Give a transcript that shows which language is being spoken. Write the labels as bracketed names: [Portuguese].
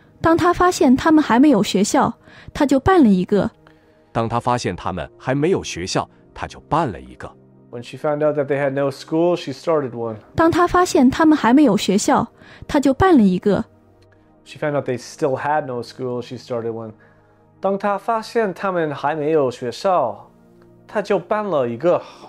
[Chinese] 当他发现他们还没有学校，他就办了一个。当他发现他们还没有学校，他就办了一个。 [English] When she found out that they had no school, she started one. [Chinese] 当他发现他们还没有学校，他就办了一个。 [English] She found out they still had no school, she started one. [Chinese] 当他发现他们还没有学校，他就办了一个。